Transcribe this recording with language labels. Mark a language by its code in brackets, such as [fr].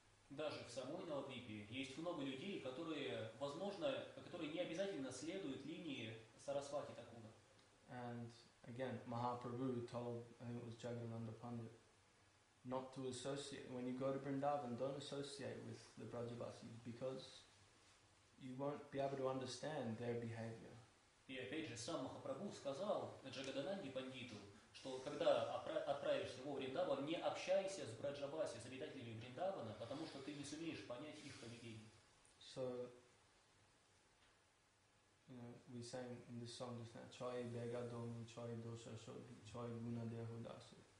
[ru] Даже в самой Навадвипе есть много людей, которые, возможно, которые не обязательно следуют линии Сарасвати Такура. [en] And again, Mahaprabhu told, I think it was Jagannanda Pandit, not to associate, when you go to Vrindavan, don't associate with the Brajavasis, because you won't be able to understand their behavior. [ru] И опять же, сам Махапрабху сказал Джагадананде Пандиту, что когда отправишься во Вриндаван, не общайся с Браджаваси, с обитателями Вриндавана, потому что ты не сумеешь понять их поведение. [en] So, we sang in this song just now, [bn] Chai Begadomi, Chai Dosha Shodhi, Chai Guna Dehudasi.